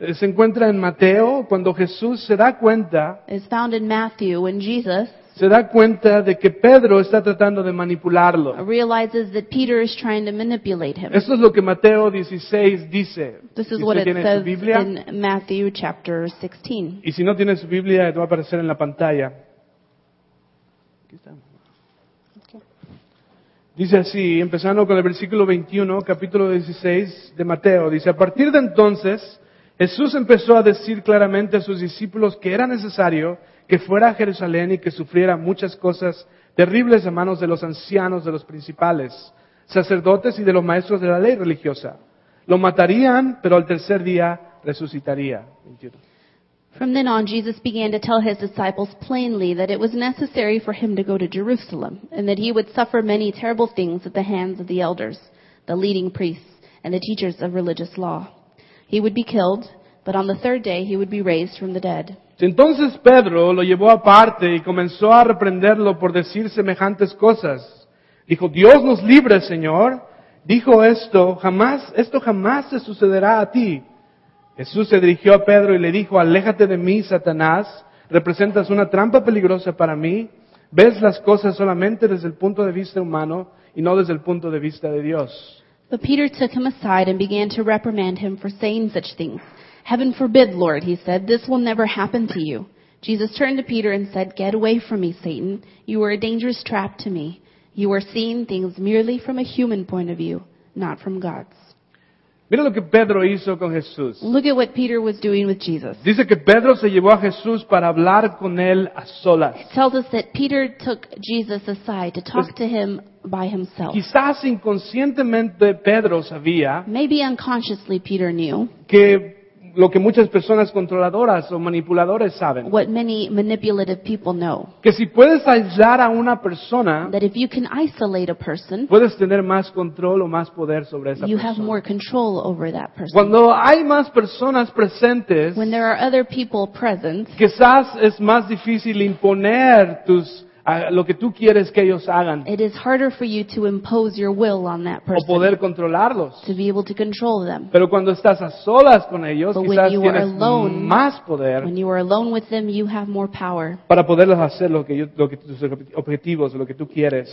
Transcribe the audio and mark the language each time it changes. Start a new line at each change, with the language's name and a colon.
Spanish: Se encuentra en Mateo cuando Jesús se da cuenta.
English: Is found in Matthew when Jesus.
Spanish: Se da cuenta de que Pedro está tratando de manipularlo.
English: Realizes that Peter is trying to manipulate him.
Spanish: Esto es lo que Mateo 16 dice.
English: This is what it says in Matthew chapter 16.
Spanish: Y si no tienes su Biblia, te va a aparecer en la pantalla. Dice así, empezando con el versículo 21, capítulo 16 de Mateo. Dice, a partir de entonces, Jesús empezó a decir claramente a sus discípulos que era necesario que fuera a Jerusalén y que sufriera muchas cosas terribles a manos de los ancianos, de los principales, sacerdotes y de los maestros de la ley religiosa. Lo matarían, pero al tercer día resucitaría.
English: From then on, Jesus began to tell his disciples plainly that it was necessary for him to go to Jerusalem and that he would suffer many terrible things at the hands of the elders, the leading priests, and the teachers of religious law. He would be killed, but on the third day he would be raised from the dead.
Spanish: Entonces Pedro lo llevó aparte y comenzó a reprenderlo por decir semejantes cosas. Dijo, Dios nos libre, Señor. Dijo esto jamás se sucederá a ti. Jesús se dirigió a Pedro y le dijo, aléjate de mí, Satanás. Representas una trampa peligrosa para mí. Ves las cosas solamente desde el punto de vista humano y no desde el punto de vista de Dios.
English: But Peter took him aside and began to reprimand him for saying such things. Heaven forbid, Lord, he said, this will never happen to you. Jesus turned to Peter and said, "Get away from me, Satan. You are a dangerous trap to me. You are seeing things merely from a human point of view, not from God's."
Spanish: Mira lo que Pedro hizo con Jesús.
English: Look at what Peter was doing with Jesus.
Spanish: Dice que Pedro se llevó a Jesús para hablar con él a solas.
English: It tells us that Peter took Jesus aside to talk to him by himself.
Spanish: Quizás inconscientemente Pedro sabía.
English: Maybe unconsciously Peter knew.
Spanish: Que lo que muchas personas controladoras o manipuladores saben.
English: What many manipulative people know.
Spanish: Que si puedes aislar a una persona,
English: that if you can isolate a person,
Spanish: puedes tener más control o más poder sobre esa
English: you
Spanish: persona.
English: You have more control over that person.
Spanish: Cuando hay más personas presentes,
English: when there are other people present,
Spanish: quizás es más difícil imponer tus lo que tú quieres que ellos hagan.
English: It is harder for you to impose your will on that person.
Spanish: O poder controlarlos.
English: To be able to control them.
Spanish: Pero cuando estás a solas con ellos,
English: but
Spanish: quizás
English: when you
Spanish: tienes
English: are alone,
Spanish: más poder.
English: When you are alone with them, you have more power.
Spanish: Para poderles hacer lo que tus objetivos, lo que tú quieres.